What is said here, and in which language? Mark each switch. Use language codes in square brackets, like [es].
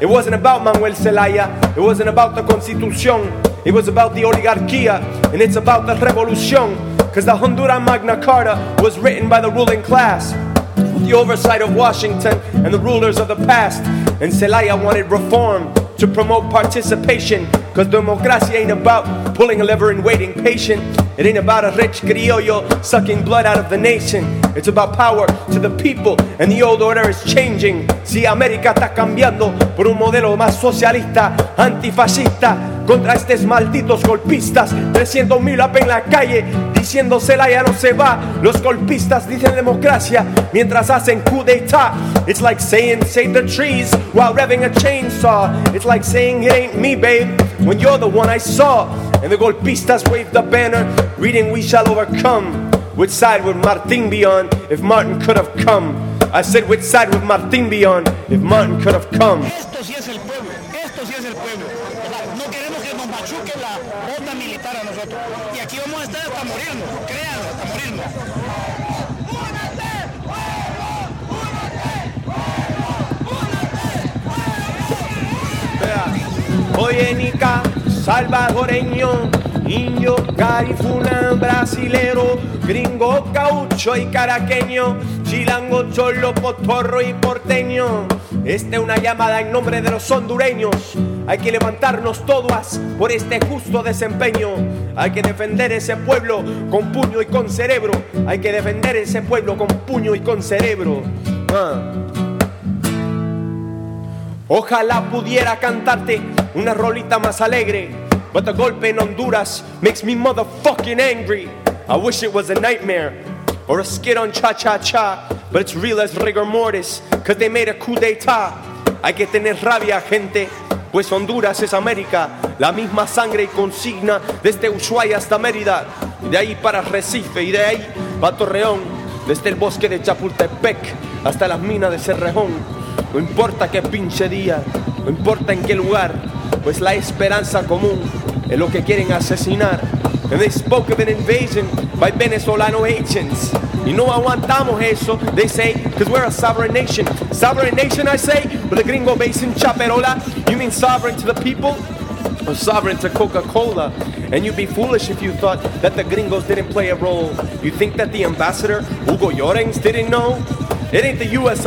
[en] It wasn't about Manuel Zelaya, it wasn't about the Constitución, it was about the oligarquía, and it's about the revolución, because the Honduras Magna Carta was written by the ruling class, with the oversight of Washington and the rulers of the past. And Zelaya wanted reform to promote participation, because democracia ain't about pulling a lever and waiting patient. It ain't about a rich criollo sucking blood out of the nation. It's about power to the people, and the old order is changing. [es] Si América está cambiando por un modelo más socialista, antifascista, contra estos malditos golpistas. 300,000 up en la calle diciendo Zelaya no se va. Los golpistas dicen democracia mientras hacen coup d'etat. [en] It's like saying save the trees while revving a chainsaw. It's like saying it ain't me, babe, when you're the one I saw. And the golpistas wave the banner reading we shall overcome. Which side would Martin be on if Martin could have come? I said, which side would Martin be on if Martin could have come? [es] Esto sí es el pueblo, esto sí es el pueblo. No queremos que nos machuque la onda militar a nosotros. Y aquí vamos a estar hasta morirnos, créanlo, hasta morirnos. ¡Únate, pueblo! ¡Únate, pueblo! ¡Únate, pueblo! Vea, oye, Nica, salvadoreño, indio, garífuna, brasilero, gringo, caucho y caraqueño, chilango, cholo, potorro y porteño. Esta es una llamada en nombre de los hondureños. Hay que levantarnos todas por este justo desempeño. Hay que defender ese pueblo con puño y con cerebro. Hay que defender ese pueblo con puño y con cerebro. Ojalá pudiera cantarte una rolita más alegre. [en] But the [es] golpe en [en] Honduras makes me motherfucking angry. I wish it was a nightmare or a skit on cha-cha-cha, but it's real as rigor mortis, cause they made a coup d'etat. [es] Hay que tener rabia, gente, pues Honduras es América, la misma sangre y consigna desde Ushuaia hasta Mérida, de ahí para Recife y de ahí para Torreón, desde el bosque de Chapultepec hasta las minas de Cerrejón. No importa qué pinche día, no importa en qué lugar, pues la esperanza común es lo que quieren asesinar. [en] And they spoke of an invasion by Venezolano agents. [es] Y no aguantamos eso, [en] they say, because we're a sovereign nation. Sovereign nation, I say, with a gringo base in Chaperola. You mean sovereign to the people or sovereign to Coca-Cola? And you'd be foolish if you thought that the gringos didn't play a role. You think that the ambassador, Hugo Llorens, didn't know? It ain't the U.S.